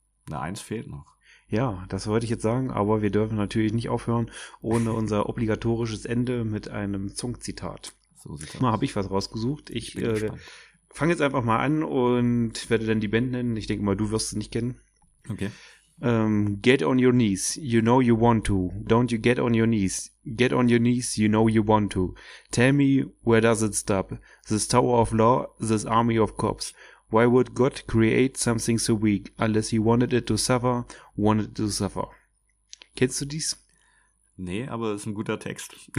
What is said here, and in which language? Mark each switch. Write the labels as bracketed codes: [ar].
[de] Na, eins fehlt noch. Ja, das wollte ich jetzt sagen, aber wir dürfen natürlich nicht aufhören ohne unser obligatorisches Ende mit einem Zungzitat. So mal habe ich was rausgesucht. Ich fange jetzt einfach mal an und werde dann die Band nennen. Ich denke mal, du wirst sie nicht kennen. Okay. [en] Get on your knees, you know you want to. Don't you get on your knees. Get on your knees, you know you want to. Tell me, where does it stop? This tower of law, this army of cops. Why would God create something so weak? Unless he wanted it to suffer, wanted it to suffer. [de] Kennst du dies? Nee, aber es ist ein guter Text.